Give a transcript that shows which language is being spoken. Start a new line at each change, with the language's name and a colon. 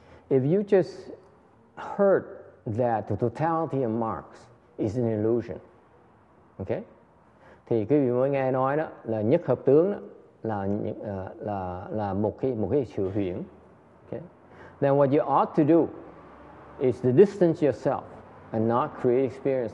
English: If you just heard that the totality of Marx is an illusion, okay?
Vietnamese: Thì quý vị mới nghe nói đó là nhất hợp tướng đó là một cái sự huyễn.
English: Okay? Then what you ought to do is to distance yourself and not create experience.